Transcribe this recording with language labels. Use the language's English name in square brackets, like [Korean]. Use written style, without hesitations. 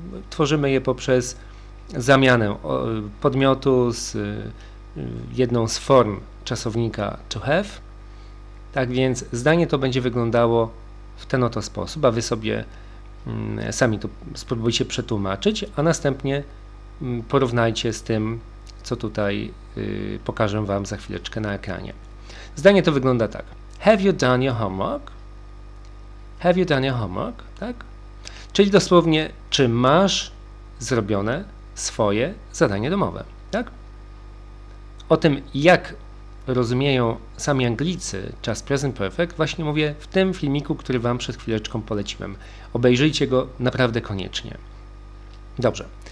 [Polish] Tworzymy je poprzez zamianę podmiotu z jedną z form czasownika to have. Tak więc zdanie to będzie wyglądało w ten oto sposób, a Wy sobie sami to spróbujcie przetłumaczyć, a następnie porównajcie z tym, co tutaj pokażę Wam za chwileczkę na ekranie. Zdanie to wygląda tak. [English] Have you done your homework? Have you done your homework? [Polish] Tak? Czyli dosłownie, czy masz zrobione swoje zadanie domowe, tak? O tym, jak rozumieją sami Anglicy czas Present Perfect, właśnie mówię w tym filmiku, który Wam przed chwileczką poleciłem. Obejrzyjcie go naprawdę koniecznie. Dobrze.